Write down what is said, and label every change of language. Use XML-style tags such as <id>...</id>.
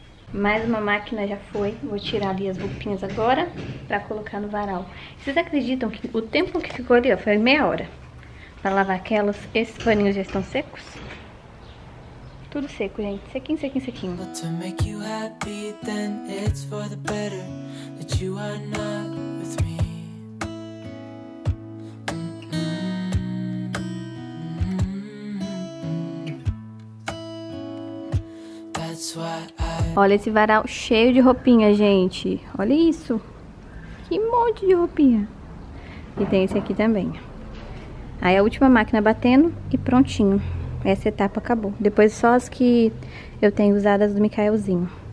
<pt>Mais uma máquina já foi. Vou tirar ali as roupinhas agora pra colocar no varal. Vocês acreditam que o tempo que ficou ali, ó, foi meia hora pra lavar aquelas? Esses paninhos já estão secos? Tudo seco, gente. Sequinho, sequinho, sequinho.</pt> <en>But to make you happy, then it's for the better that you are not with me. That's why.</en> <pt>Olha esse varal cheio de roupinha, gente. Olha isso. Que monte de roupinha. E tem esse aqui também. Aí a última máquina batendo e prontinho. Essa etapa acabou. Depois só as que eu tenho usado as do Mikaelzinho.</pt>